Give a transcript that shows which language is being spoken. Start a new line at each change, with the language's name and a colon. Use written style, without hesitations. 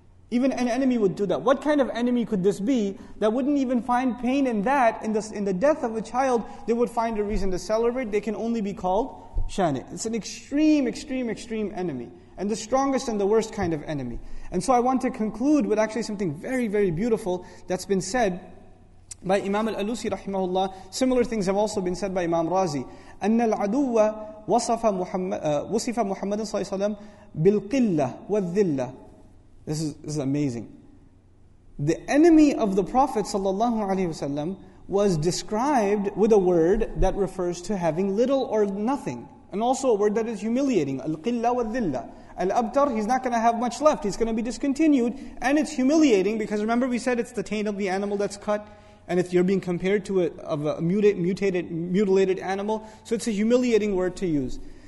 English: Even an enemy would do that. What kind of enemy could this be that wouldn't even find pain in that, in the death of a child, they would find a reason to celebrate? They can only be called shani'. It's an extreme, extreme, extreme enemy. And the strongest and the worst kind of enemy. And so I want to conclude with actually something very, very beautiful that's been said by Imam Al-Alusi rahimahullah. Similar things have also been said by Imam Razi.
Arabic: أن العدو وصف محمد صلى الله عليه وسلم بالقلة والذلة.
English: This is amazing. The enemy of the Prophet sallallahu alaihi wasallam was described with a word that refers to having little or nothing, and also a word that is humiliating. Al-qilla wa-dhilla. Al-abtar, he's not going to have much left. He's going to be discontinued, and it's humiliating because remember we said it's the taint of the animal that's cut, and if you're being compared to a mutilated animal, so it's a humiliating word to use.